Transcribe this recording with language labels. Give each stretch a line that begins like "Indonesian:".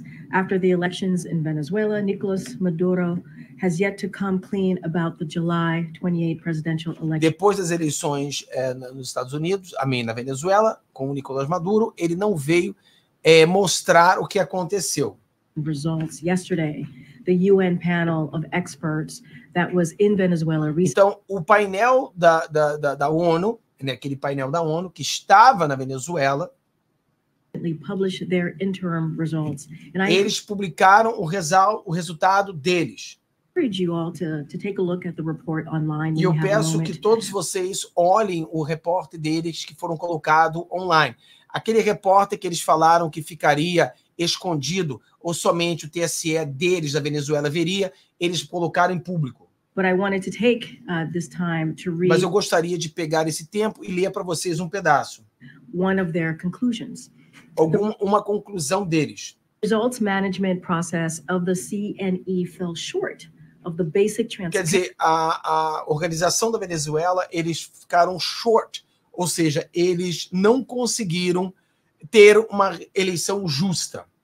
English: After the elections in Venezuela, Nicolas Maduro has yet to come clean about the July 28 presidential election.
Portuguese: Depois das eleições nos Estados Unidos, na Venezuela, com o Nicolas Maduro, ele não veio mostrar o que aconteceu.
English: Results yesterday, the UN panel of experts that was in Venezuela recently.
Portuguese: Então, o painel da ONU, né, aquele painel da ONU que estava na Venezuela,
English: publish their interim results.
Portuguese: Eles publicaram o resultado deles.
English: encourage you all to take a look at the report online.
Portuguese: E eu peço que todos vocês olhem o reporte deles que foram colocado online. Aquele reporte que eles falaram que ficaria escondido ou somente o TSE deles da Venezuela veria, eles colocaram em público.
English: But I wanted to take this time to read.
Portuguese: Mas eu gostaria de pegar esse tempo e ler para vocês um pedaço.
English: One of their conclusions.
Portuguese: Uma conclusão deles.
English: Results management process of the CNE fell short of the basic transparency.
Portuguese: Quer dizer, a organização da Venezuela, eles ficaram short, ou seja, eles não conseguiram ter uma eleição justa.